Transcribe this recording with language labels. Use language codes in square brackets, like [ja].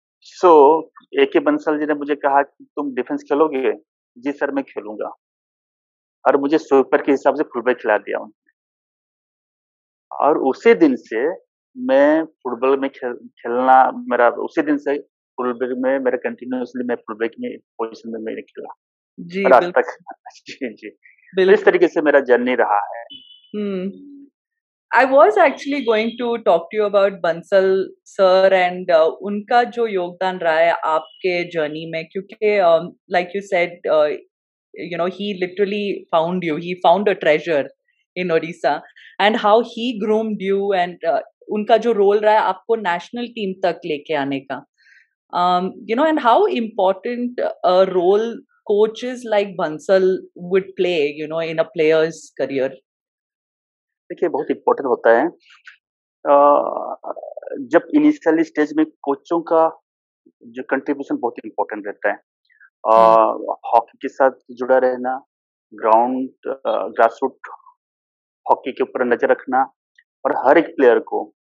[hi] सो ए के बंसल जी ने मुझे कहा कि तुम डिफेंस खेलोगे जी सर मैं खेलूंगा और मुझे स्वीपर के हिसाब से फुलबैक खिला दिया उन्होंने और उसी दिन से मैं फुटबॉल में खेलना मेरा उसी दिन से फुलबैक में मेरा कंटिन्यूअसली मैं फुलबैक में पोजीशन में मैंने खेला जी आज तक जी जी इस तरीके से मेरा जर्नी रहा है [en] I was actually going to talk to you about Bansal sir and [hi] unka jo yogdan raha hai aapke journey mein, kyunki [en] like you said, you know, he literally found you, he found a treasure in Odisha, and how he groomed you, and [hi] unka jo role raha hai aapko national team tak leke aane ka, [en] you know, and how important a role coaches like Bansal would play, you know, in a player's career. [hi] देखिए बहुत important होता है जब initial stage में कोचों का जो contribution बहुत इम्पोर्टेंट रहता है हॉकी के साथ जुड़ा रहना ग्राउंड ग्रासरूट हॉकी के ऊपर नजर रखना और हर एक प्लेयर को